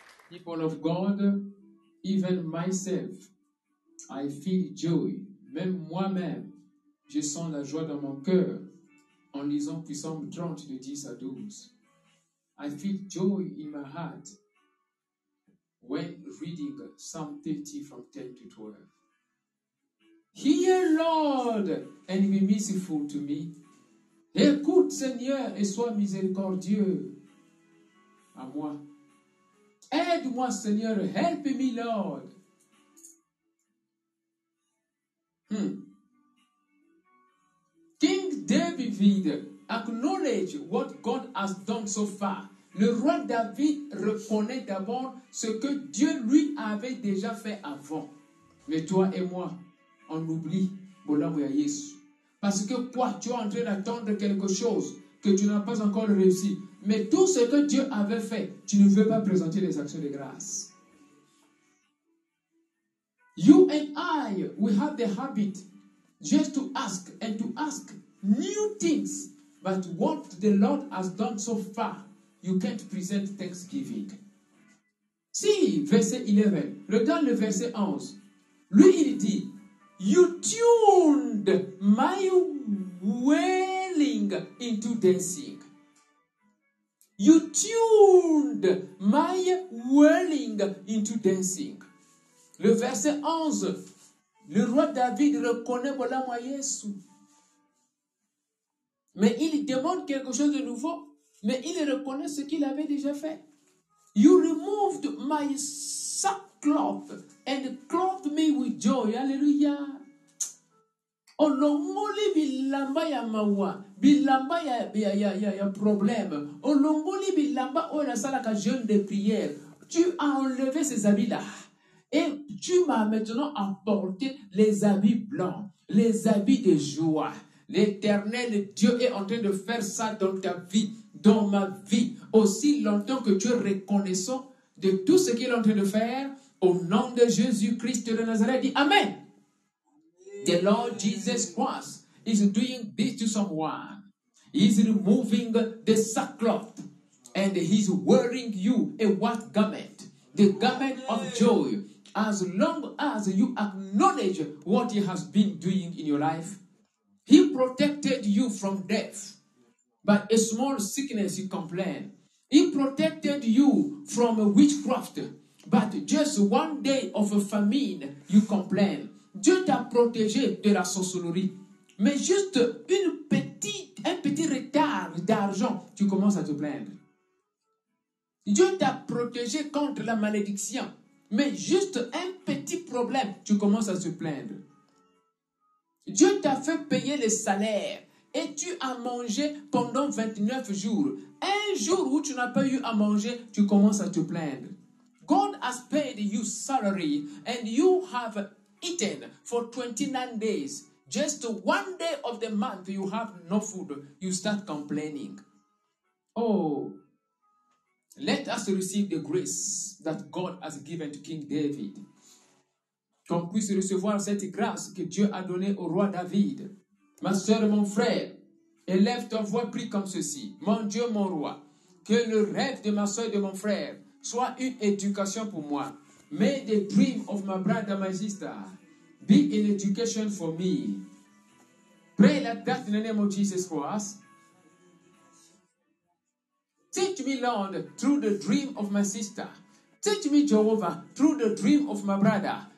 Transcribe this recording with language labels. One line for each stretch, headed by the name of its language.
English: People of God, even myself, I feel joy.
French: Même moi-même, je sens la joie dans mon cœur en lisant Psaume 30, de 10 à 12.
English: I feel joy in my heart when reading Psalm 30 from 10 to 12. Hear, Lord, and be merciful to me.
French: Écoute, Seigneur, et sois miséricordieux à moi. Aide-moi, Seigneur,
English: help me, Lord. King David acknowledged what God has done so far.
French: Le roi David reconnaît d'abord ce que Dieu lui avait déjà fait avant. Mais toi et moi, on oublie
Lingala: Bolamou ya Yesu.
French: Parce que quoi, tu es en train d'attendre quelque chose que tu n'as pas encore réussi. Mais tout ce que Dieu avait fait, tu ne veux pas présenter les actions de grâce.
English: You and I, we have the habit just to ask and to ask new things. But what the Lord has done so far, you can't present thanksgiving.
French: Si, verset 11. Regarde le verset 11. Lui, il dit,
English: you tuned my wailing into dancing. You tuned my wailing into dancing.
French: Le verset 11. Le roi David reconnaît voilà moi Yesu. Mais il demande quelque chose de nouveau. Mais il reconnaît ce qu'il avait déjà fait.
English: You removed my sackcloth and clothed me with joy.
Lingala: Alléluia. Olongoli bilamba ya mawa, bilamba ya problème. Olongoli bilamba o na sala ka
French: jeûne de prière. Tu as enlevé ces habits là et tu m'as maintenant apporté les habits blancs, les habits de joie. L'Éternel Dieu est en train de faire ça dans ta vie. Dans ma vie, aussi longtemps que tu es reconnaissant de tout ce qu'il est en train de faire, au nom de Jésus-Christ de Nazareth, dit Amen.
English: The Lord Jesus Christ is doing this to someone. He's removing the sackcloth and he's wearing you a white garment, the garment of joy. As long as you acknowledge what he has been doing in your life, he protected you from death. But a small sickness, you complain. He protected you from witchcraft. But just one day of a famine, you complain.
French: Dieu t'a protégé de la sorcellerie. Mais juste un petit retard d'argent, tu commences à te plaindre. Dieu t'a protégé contre la malédiction. Mais juste un petit problème, tu commences à te plaindre. Dieu t'a fait payer les salaires. Et tu as mangé pendant 29 jours. Un jour où tu n'as pas eu à manger, tu commences à te plaindre.
English: God has paid you salary and you have eaten for 29 days. Just one day of the month you have no food. You start complaining. Oh, let us receive the grace that God has given to King David.
French: Qu'on puisse recevoir cette grâce que Dieu a donnée au roi David. Ma soeur et mon frère, élève ta voix, prie comme ceci. Mon Dieu, mon roi, que le rêve de ma soeur et de mon frère soit une éducation pour moi.
English: May the dream of my brother and my sister be an education for me. Pray like that in the name of Jesus Christ. Teach me, Lord, through the dream of my sister. Teach me, Jehovah, through the dream of my brother.